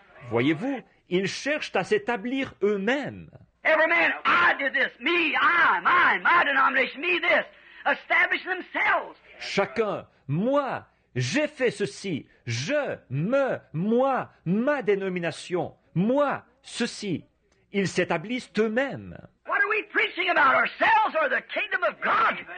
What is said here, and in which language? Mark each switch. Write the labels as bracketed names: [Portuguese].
[French] Voyez-vous, ils cherchent à s'établir eux-mêmes. [English] Every man, I did this, me, my denomination, me this, establish themselves. [French] Chacun, moi, j'ai fait ceci, je, me, moi, ma dénomination, moi, ceci. Ils s'établissent eux-mêmes. [English] What are we preaching about, ourselves or the kingdom of God?